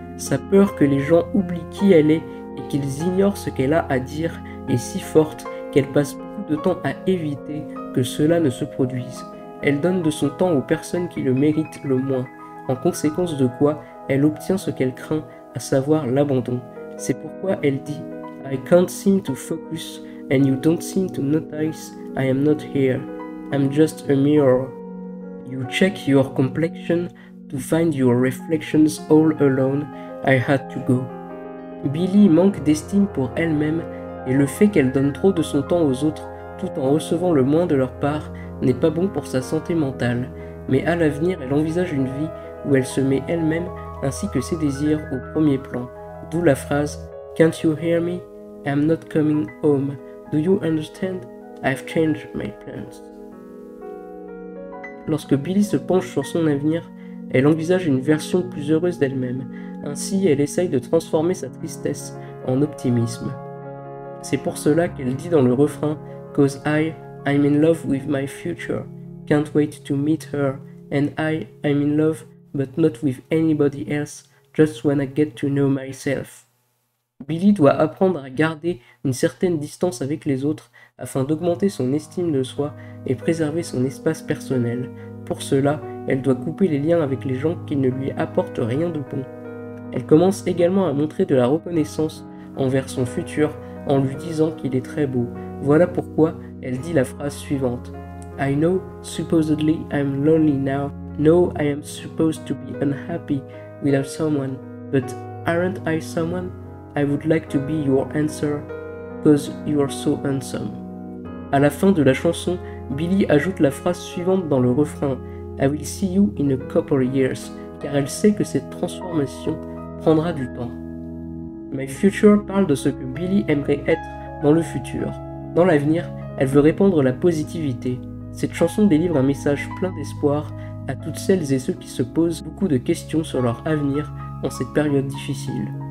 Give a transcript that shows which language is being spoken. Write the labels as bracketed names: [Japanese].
[French] Sa peur que les gens oublient qui elle est et qu'ils ignorent ce qu'elle a à dire est si forte qu'elle passe beaucoup de temps à éviter que cela ne se produise. Elle donne de son temps aux personnes qui le méritent le moins, en conséquence de quoi elle obtient ce qu'elle craint, à savoir l'abandon. C'est pourquoi elle dit [English] « I can't seem to focus and you don't seem to notice I am not here. I'm just a mirror. » You check your complexion to find your reflections all alone. I had to go. [French] Billie manque d'estime pour elle-même et le fait qu'elle donne trop de son temps aux autres tout en recevant le moins de leur part n'est pas bon pour sa santé mentale. Mais à l'avenir, elle envisage une vie où elle se met elle-même ainsi que ses désirs au premier plan. D'où la phrase [English] « Can't you hear me? I'm not coming home. Do you understand? I've changed my plans. [French] » Lorsque Billie se penche sur son avenir, elle envisage une version plus heureuse d'elle-même. Ainsi, elle essaye de transformer sa tristesse en optimisme. C'est pour cela qu'elle dit dans le refrain « [English] Cause I'm in love with my future. Can't wait to meet her. And I'm in love, but not with anybody else. Just when I get to know myself. [French] » Billie doit apprendre à garder une certaine distance avec les autres afin d'augmenter son estime de soi et préserver son espace personnel. Pour cela, elle doit couper les liens avec les gens qui ne lui apportent rien de bon. Elle commence également à montrer de la reconnaissance envers son futur en lui disant qu'il est très beau. Voilà pourquoi elle dit la phrase suivante. [English] I know, supposedly, I'm lonely now. No, I am supposed to be unhappy without someone. But aren't I someone? I would like to be your answer, cause you are so handsome. [French] À la fin de la chanson, Billie ajoute la phrase suivante dans le refrain. [English] I will see you in a couple years, [French] car elle sait que cette transformation prendra du temps. My Future parle de ce que Billie aimerait être dans le futur. Dans l'avenir, elle veut répandre la positivité. Cette chanson délivre un message plein d'espoir à toutes celles et ceux qui se posent beaucoup de questions sur leur avenir en cette période difficile.